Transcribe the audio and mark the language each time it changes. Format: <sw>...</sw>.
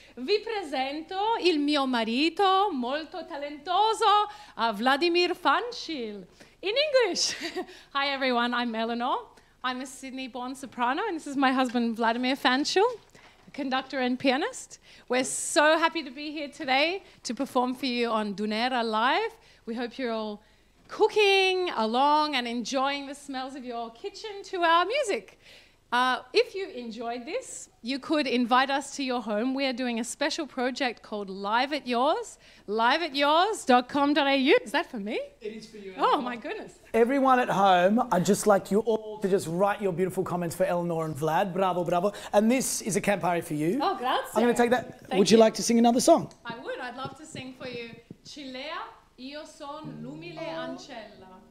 <it>Vi presento il mio marito, molto talentoso, Vladimir Fanshil.</it> <en>In English! Hi everyone, I'm Eleanor. I'm a Sydney-born soprano, and this is my husband, Vladimir Fanshil, conductor and pianist. We're so happy to be here today to perform for you on Dunera Live. We hope you're all cooking along and enjoying the smells of your kitchen to our music. If you enjoyed this, you could invite us to your home. We are doing a special project called Live at Yours, liveatyours.com.au. Is that for me? It is for you. Oh, my goodness. Everyone at home, I'd just like you all to just write your beautiful comments for Eleanor and Vlad. Bravo, bravo. And this is a Campari for you.</en> <it>Oh, grazie.</it> <en>I'm going to take that. Would you like to sing another song? I would. I'd love to sing for you.</en> <it>Cilea, io son l'umile ancella.</it>